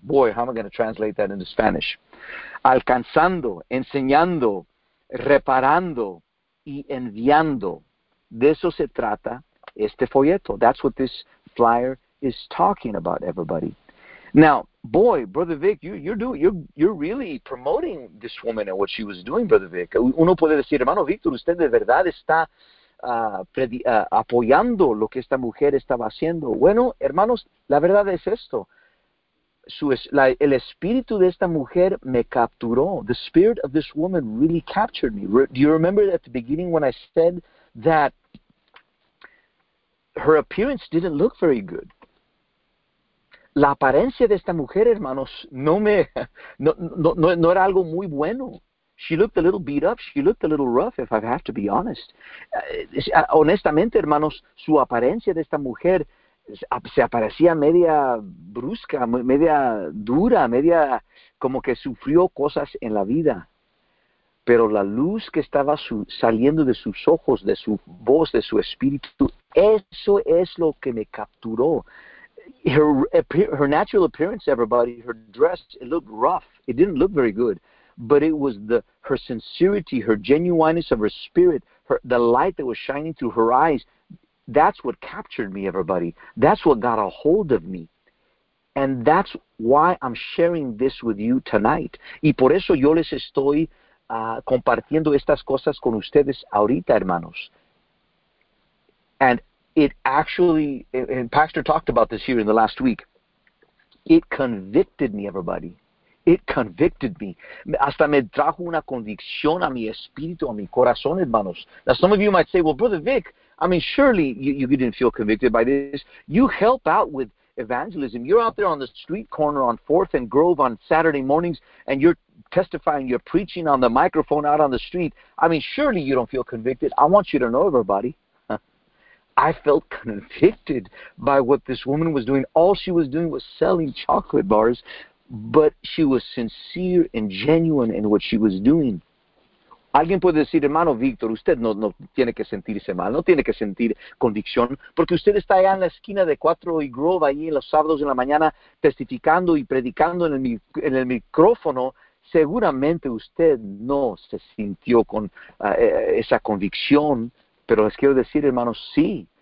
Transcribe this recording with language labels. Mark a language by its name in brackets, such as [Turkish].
[English] Boy, how am I going to translate that into Spanish? [Spanish] Alcanzando, enseñando, reparando y enviando. De eso se trata este folleto. [English] That's what this flyer is talking about, everybody. Now, boy, Brother Vic, you're really promoting this woman and what she was doing, Brother Vic. [Spanish] Uno puede decir, hermano Víctor, usted de verdad está apoyando lo que esta mujer estaba haciendo. Bueno, hermanos, la verdad es esto. El espíritu de esta mujer me capturó. [English] The spirit of this woman really captured me. Do you remember at the beginning when I said that her appearance didn't look very good? [Spanish] La apariencia de esta mujer, hermanos, no era algo muy bueno. [English] She looked a little beat up. She looked a little rough, if I have to be honest. [Spanish] Honestamente, hermanos, su apariencia de esta mujer se aparecía media brusca, media dura, media como que sufrió cosas en la vida. Pero la luz que estaba saliendo de sus ojos, de su voz, de su espíritu, eso es lo que me capturó. [English] Her natural appearance, everybody, her dress, it looked rough. It didn't look very good. But it was her sincerity, her genuineness of her spirit, the light that was shining through her eyes. That's what captured me, everybody. That's what got a hold of me. And that's why I'm sharing this with you tonight. [Spanish] Y por eso yo les estoy compartiendo estas cosas con ustedes ahorita, hermanos. [English] And it actually, and Pastor talked about this here in the last week, it convicted me, everybody. It convicted me. [Spanish] Hasta me trajo una convicción a mi espíritu, a mi corazón, hermanos. [English] Now, some of you might say, well, Brother Vic, I mean, surely you didn't feel convicted by this. You help out with evangelism. You're out there on the street corner on 4th and Grove on Saturday mornings, and you're testifying, you're preaching on the microphone out on the street. I mean, surely you don't feel convicted. I want you to know, everybody, I felt convicted by what this woman was doing. All she was doing was selling chocolate bars. But she was sincere and genuine in what she was doing. [Spanish] Alguien puede decir, hermano Víctor, usted no tiene que sentirse mal, no tiene que sentir convicción, porque usted está allá en la esquina de 4 y Grove, ahí en los sábados en la mañana, testificando y predicando en el micrófono. Seguramente usted no se sintió con esa convicción, pero les quiero decir, hermanos, sí.